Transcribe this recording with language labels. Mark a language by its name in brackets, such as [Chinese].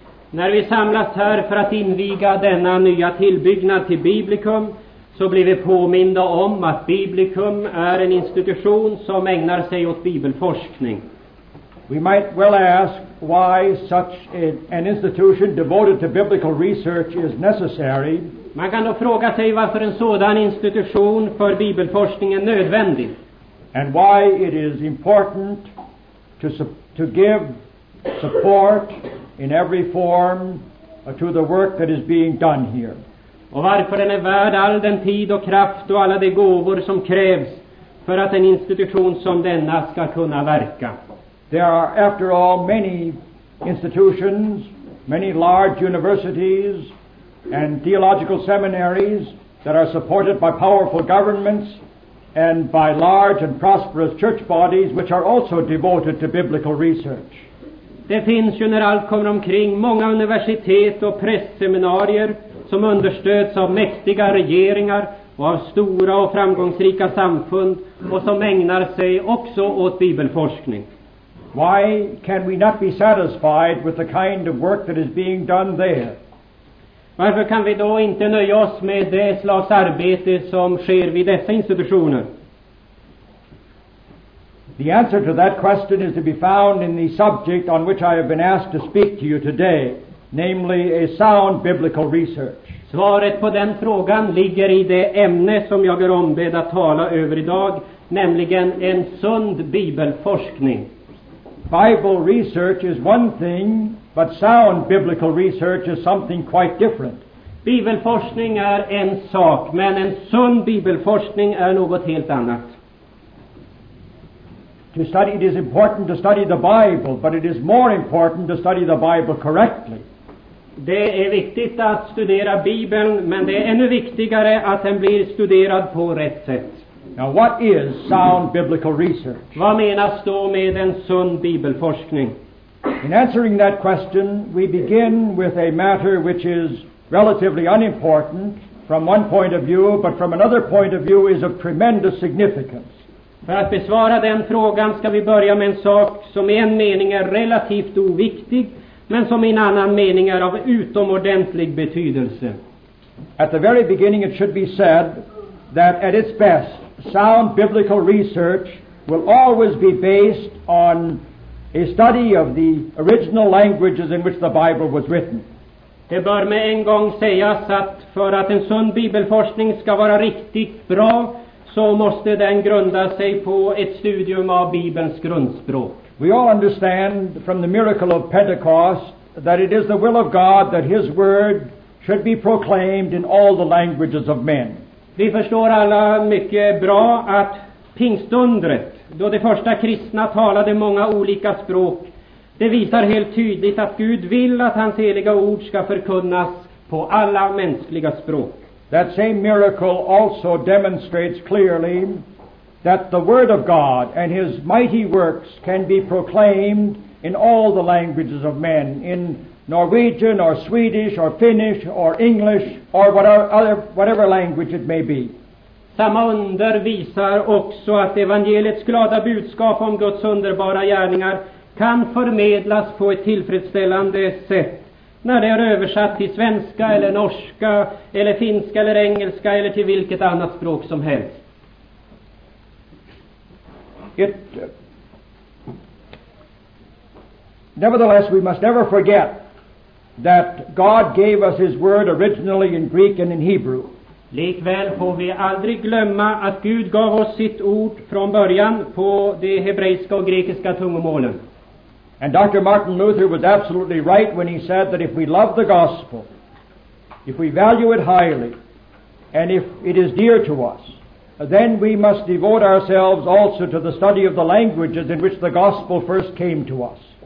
[Swedish] När vi samlas här för att inviga denna nya tillbyggnad till Biblicum, så blir vi påminna om att Biblicum är en institution som ägnar sig åt bibelforskning. [English] We might well ask why such an institution devoted to biblical research is necessary. [Swedish] Man kan då fråga sig varför en sådan institution för bibelforskning är nödvändig. [English] And why it is important to give support in every form to the work that is being done here. [Swedish] Och varför den är värd all den tid och kraft och alla de gåvor som krävs för att en institution som denna ska kunna verka. [English] There are, after all, many institutions, many large universities and theological seminaries that are supported by powerful governments and by large and prosperous church bodies which are also devoted to biblical research. [Swedish] Det finns ju när allt kommer omkring många universitet och prästseminarier som understöds av mäktiga regeringar och av stora och framgångsrika samfund och som ägnar sig också åt bibelforskning. [English] Why can we not be satisfied with the kind of work that is being done there? [Swedish] Varför kan vi då inte nöja oss med det slags arbete som sker vid dessa institutioner? [English] The answer to that question is to be found in the subject on which I have been asked to speak to you today, namely a sound biblical research. [Swedish] Svaret på den frågan ligger i det ämne som jag är ombedd att tala över idag, nämligen en sund bibelforskning. [English] Bible research is one thing, but sound biblical research is something quite different. [Swedish] Bibelforskning är en sak, men en sund bibelforskning är något helt annat. [English] It is important to study the Bible, but it is more important to study the Bible correctly. [Swedish] Det är viktigt att studera Bibeln, men det är ännu viktigare att den blir studerad på rätt sätt. [English] Now, what is sound biblical research? [Swedish] Vad menas då med en sund bibelforskning? [English] In answering that question, we begin with a matter which is relatively unimportant from one point of view, but from another point of view is of tremendous significance. [Swedish] För att besvara den frågan ska vi börja med en sak som i en mening är relativt oviktig, men som i en annan mening är av utomordentlig betydelse. [English] At the very beginning, it should be said that at its best, sound biblical research will always be based on a study of the original languages in which the Bible was written. [Swedish] Det bör med en gång sägas att för att en sund bibelforskning ska vara riktigt bra, så måste den grunda sig på ett studium av Bibelns grundspråk. [English] We all understand from the miracle of Pentecost that it is the will of God that his word should be proclaimed in all the languages of men. [Swedish] Vi förstår alla mycket bra att pingstundret, då de första kristna talade många olika språk, det visar helt tydligt att Gud vill att hans heliga ord ska förkunnas på alla mänskliga språk. [English] That same miracle also demonstrates clearly that the word of God and his mighty works can be proclaimed in all the languages of men, in Norwegian or Swedish or Finnish or English or whatever language it may be. [Swedish] Samma under visar också att evangeliets glada budskap om Guds underbara gärningar kan förmedlas på ett tillfredsställande sätt när det är översatt till svenska eller norska eller finska eller engelska eller till vilket annat språk som helst. [English] Nevertheless, we must never forget that God gave us his word originally in Greek and in Hebrew. [Swedish] Likväl får vi aldrig glömma att Gud gav oss sitt ord från början på de hebreiska och grekiska tungomålen. [English] And Dr. Martin Luther was absolutely right when he said that if we love the gospel, if we value it highly, and if it is dear to us, then we must devote ourselves also to the study of the languages in which the gospel first came to us.